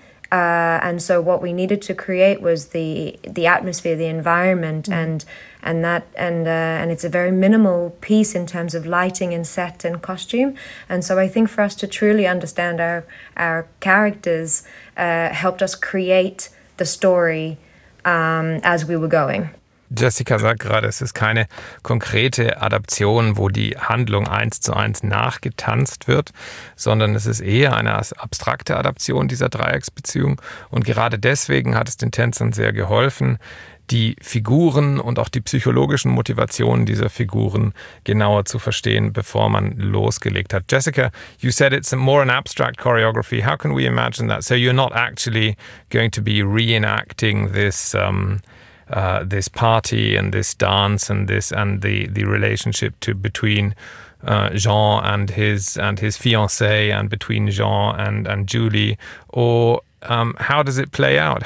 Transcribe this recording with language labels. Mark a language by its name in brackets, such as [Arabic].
[English] And so what we needed to create was the atmosphere, the environment, mm-hmm. and it's a very minimal piece in terms of lighting and set and costume. And so I think for us to truly understand our characters helped us create the story as we were going. [German] Jessica sagt gerade, es ist keine konkrete Adaption, wo die Handlung eins zu eins nachgetanzt wird, sondern es ist eher eine abstrakte Adaption dieser Dreiecksbeziehung. Und gerade deswegen hat es den Tänzern sehr geholfen, die Figuren und auch die psychologischen Motivationen dieser Figuren genauer zu verstehen, bevor man losgelegt hat. [English] Jessica, you said it's more an abstract choreography. How can we imagine that? So you're not actually going to be reenacting this... this party and this dance and this and the relationship between Jean and his fiancée and between Jean and Julie, or how does it play out?